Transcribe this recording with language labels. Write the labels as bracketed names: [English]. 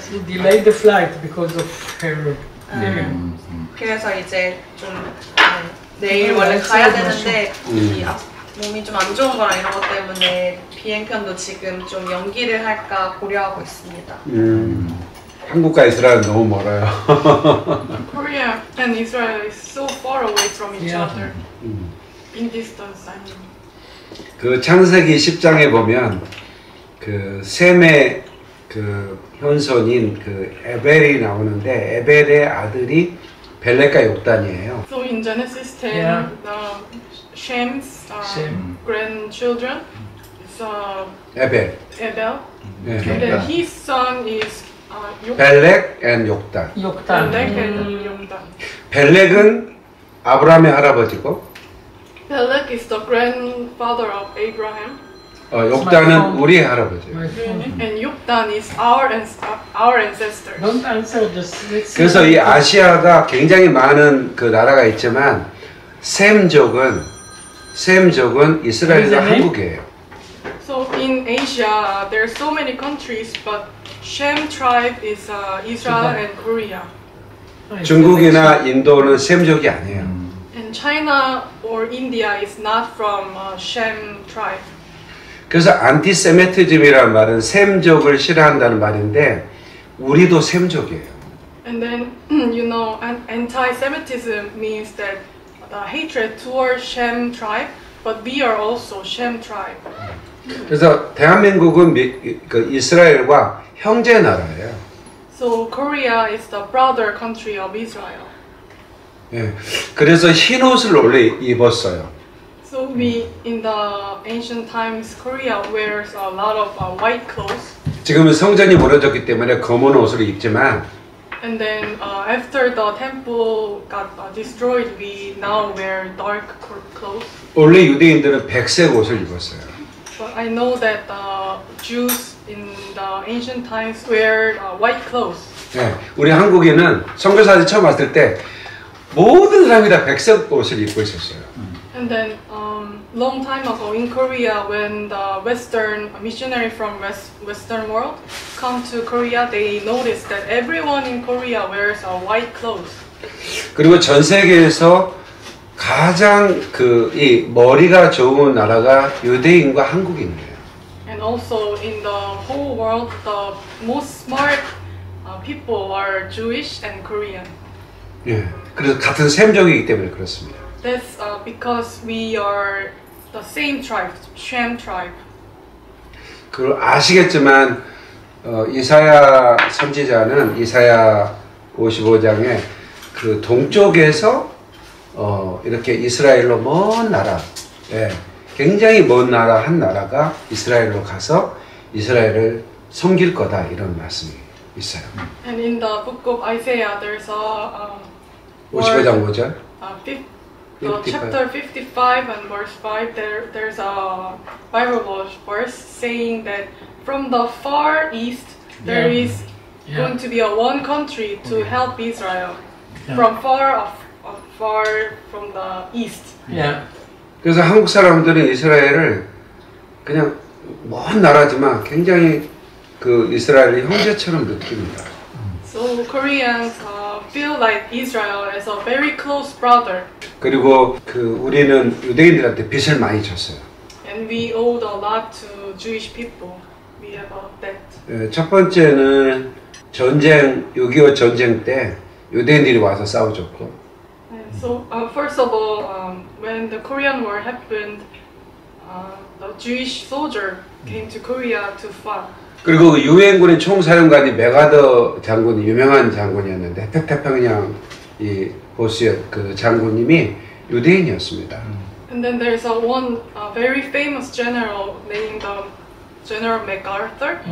[English] She delayed the flight because of her. [Korean] 그래서 이제 좀 내일 원래 가야 되는데 몸이 좀 안 좋은 거랑 이런 것 때문에 비행편도 지금 좀 연기를 할까 고려하고 있습니다. 한국과 이스라엘은 너무 멀어요. [English] Korea and Israel is so far away from each other. In distance, I mean. [Korean] 그 창세기 10장에 보면 그 셈의 그 현손인 그 에벨이 나오는데 에벨의 아들이 벨렉과 욕단이에요. [English] So in Genesis 10, Shem's grandchildren is Abel. Abel. Yeah. His son is 벨렉 and 욕단. 욕단. 벨렉 and 욕단. [Korean] 벨렉은 아브라함의 할아버지고. [English] Belek is the grandfather of Abraham. [Korean] 욕단은 우리 할아버지. [English] Really? And 욕단 is our ancestors. Don't answer just. [Korean] 그래서 이 아시아가 굉장히 많은 그 나라가 있지만 셈족은 이스라엘과 한국이에요. [English] So in Asia there are so many countries, but Shem tribe is Israel and Korea. [Korean] 중국이나 인도는 셈족이 아니에요. [English] And China or India is not from Shem tribe. [Korean] 그래서 안티세미티즘이라는 말은 셈족을 싫어한다는 말인데 우리도 셈족이에요. [English] And then you know anti-Semitism means that the hatred towards Shem tribe, but we are also Shem tribe. [Korean] 그래서 대한민국은 그 이스라엘과 형제 나라예요. [English] So Korea is the brother country of Israel. [Korean] 예, 그래서 흰 옷을 원래 입었어요. [English] So we in the ancient times Korea wears a lot of white clothes. [Korean] 지금은 성전이 무너졌기 때문에 검은 옷을 입지만. [English] And then after the temple got destroyed, we now wear dark clothes. [Korean] 원래 유대인들은 백색 옷을 입었어요. [English] But I know that the Jews in the ancient times wear white clothes. [Korean] 예, 우리 한국인은 선교사들 처음 왔을 때 모든 사람이 다 백색 옷을 입고 있었어요. [English] And then long time ago in Korea, when the Western missionary from Western world come to Korea, they noticed that everyone in Korea wears a white clothes. [Korean] 그리고 전 세계에서 가장 그 이 머리가 좋은 나라가 유대인과 한국인이에요. [English] And also in the whole world, the most smart people are Jewish and Korean. [Korean] 예, 그래서 같은 셈족이기 때문에 그렇습니다. [English] That's because we are the same tribe, Shem tribe. [Korean] 그 아시겠지만 이사야 선지자는 이사야 55장에 그 동쪽에서 이렇게 이스라엘로 먼 나라, 예, 굉장히 먼 나라 한 나라가 이스라엘로 가서 이스라엘을 섬길 거다 이런 말씀이 있어요. [English] And in the book of Isaiah, there's a [Korean] 55장 뭐죠? [English] Chapter 55 and verse 5, there's a Bible verse saying that from the far east there is going to be a one country to help Israel from far off. Far from the east. Yeah. [Korean] 그래서 한국 사람들은 이스라엘을 그냥 먼 나라지만 굉장히 그 이스라엘을 형제처럼 느낍니다. [English] So Koreans feel like Israel as a very close brother. [Korean] 그리고 그 우리는 유대인들한테 빚을 많이 졌어요. [English] And we owed a lot to Jewish people. We have a debt. [Korean] 첫 번째는 전쟁, 6.25 전쟁 때 유대인들이 와서 싸워줬고. [English] So first of all, when the Korean War happened, the Jewish soldier came to Korea to fight. [Korean] 그리고 유엔군의 총사령관이 맥아더 장군이 유명한 장군이었는데 태평양 이 보스의 그 장군님이 유대인이었습니다. [English] And then there's one very famous general named General MacArthur.